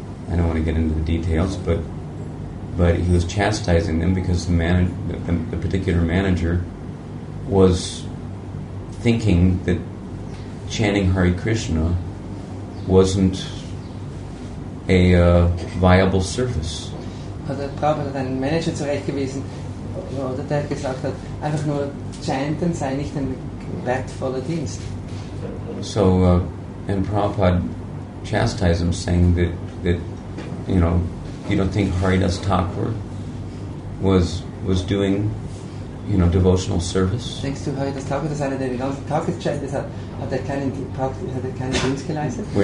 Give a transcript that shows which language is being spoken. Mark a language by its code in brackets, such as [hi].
[en] I don't want to get into the details, but he was chastising them because the particular manager was thinking that chanting Hare Krishna wasn't a viable service. [de] Oder Prabhupada hat einen Manager zurechtgewiesen, oder der gesagt hat, einfach nur chanten sei nicht ein wertvoller Dienst. [en] So, and Prabhupada chastised him, saying that you know, you don't think Haridas Thakur was doing, you know, devotional service? [de] Denkst du, Haridas Thakur, das einer, der den ganzen Tag gechastised hat, hat er keinen Dienst geleistet?